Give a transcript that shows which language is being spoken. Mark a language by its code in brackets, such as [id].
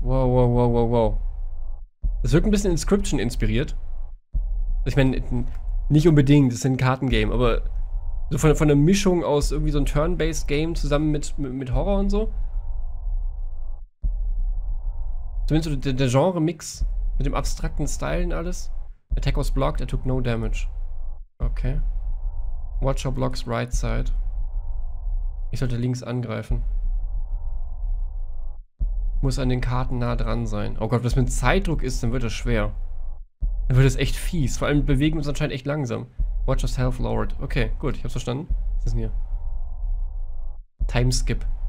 [de] Wow, wow, wow, wow, wow. Das wirkt ein bisschen Inscription inspiriert. Ich meine, nicht unbedingt, das ist ein Kartengame, aber so von der Mischung aus irgendwie so ein Turn-Based-Game zusammen mit Horror und so. Zumindest so der Genre-Mix mit dem abstrakten Style und alles. [en] Attack was blocked, er took no damage. Okay. Watch your blocks right side. [de] Ich sollte links angreifen. Muss an den Karten nah dran sein. Oh Gott, was mit Zeitdruck ist, dann wird das schwer. Dann wird es echt fies. Vor allem bewegen wir uns anscheinend echt langsam. [en] Watch yourself, Lord. [de] Okay, gut, ich hab's verstanden. Was ist denn hier? Timeskip.